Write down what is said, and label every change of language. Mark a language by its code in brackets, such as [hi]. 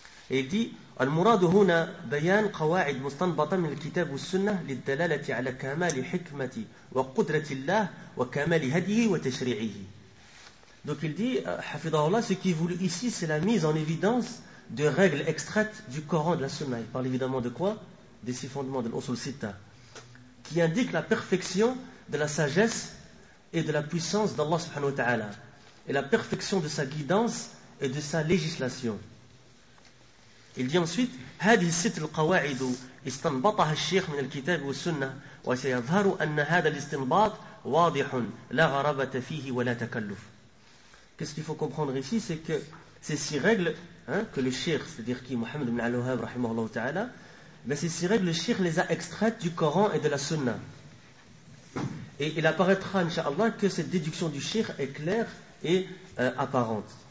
[ar] Et il dit, المراد هنا بيان قواعد مستنبطة من الكتاب والسنة للدلالة على كمال حكمة وقدرة الله وكمال هديه وتشريعه. [fr] Donc il dit, hafidahullah, ce qui est voulu ici, c'est la mise en évidence de règles extraites du Coran, de la Sunna. Il parle évidemment de quoi? Des six fondements de l'usul sita, qui indiquent la perfection de la sagesse et de la puissance d'Allah subhanahu wa ta'ala, et la perfection de sa guidance et de sa législation. [ar] Il dit ensuite, هذه الست القواعد استنبطها الشيخ من الكتاب والسنة وسيظهر أن هذا الاستنباط واضح لا غرابة فيه ولا تكلف. [fr] Qu'est-ce qu'il faut comprendre ici, c'est que ces six règles, hein, que le Cheikh, c'est-à-dire qui Mohammed ibn al-Wahhab rahimahullah ta'ala, ben ces six règles, le Cheikh les a extraites du Coran et de la Sunna. Et il apparaîtra, inshallah, que cette déduction du Cheikh est claire et apparente.